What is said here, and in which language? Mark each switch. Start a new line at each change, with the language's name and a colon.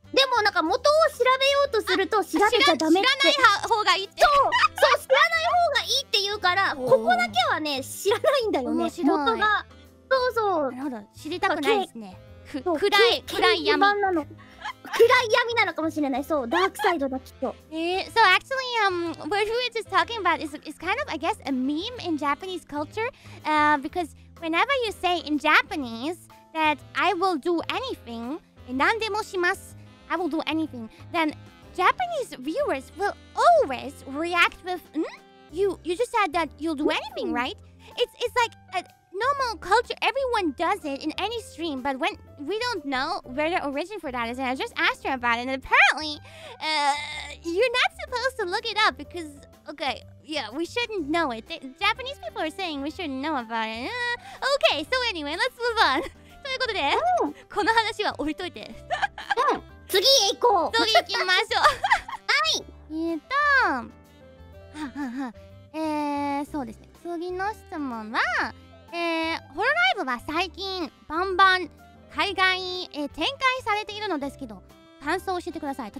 Japanese: でもなんか元を調べようとすると調べちゃダメって知らない方がいいって。そう、知らない方がいいって言うからここだけはね、知らないんだよね、元が。そうそう、なるほど、知りたくないですね。暗い闇暗い闇なのかもしれない。そう、ダークサイドだ、きっと。
English: So actually, what we were just talking about is kind of, I guess, a meme in Japanese culture. Because whenever you say in Japanese that I will do anything,
Japanese: 何でもします、
English: I will do anything, then Japanese viewers will always react with, You just said that you'll do anything, right? It's like a normal culture. Everyone does it in any stream, but when we don't know where the origin for that is, and I just asked her about it, and apparently, you're not supposed to look it up because, okay, yeah, we shouldn't know it. Japanese people are saying we shouldn't know about it. Okay, so anyway, let's move on.
Japanese: ということで、この話は置いといて。次へ行こう。次行きましょう。はい。そうですね。次の質問は、ホロライブは最近バンバン海外、展開されているのですけど、感想を教えてください。